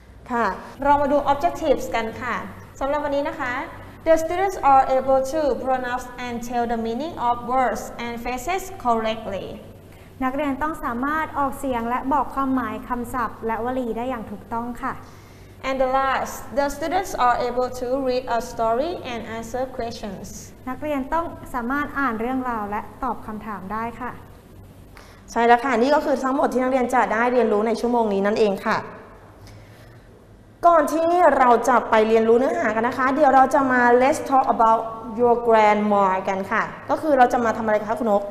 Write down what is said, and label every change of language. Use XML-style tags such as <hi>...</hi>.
<th>ค่ะเรามาดู objectives กันค่ะสำหรับวันนี้นะคะ</th> <en>The students are able to pronounce and tell the meaning of words and phrases correctly</en> <th>นักเรียนต้องสามารถออกเสียงและบอกความหมายคำศัพท์และวลีได้อย่างถูกต้องค่ะ</th> <en>And the last, the students are able to read a story and answer questions.</en> <th>นักเรียนต้องสามารถอ่านเรื่องราวและตอบคำถามได้ค่ะ ใช่แล้วค่ะนี่ก็คือทั้งหมดที่นักเรียนจะได้เรียนรู้ในชั่วโมงนี้นั่นเองค่ะก่อนที่เราจะไปเรียนรู้เนื้อหากันนะคะเดี๋ยวเราจะมา</th> <en>let's talk aboutyour grandma</en> <th>กันค่ะก็คือเราจะมาทำอะไรคะคุณนก</th>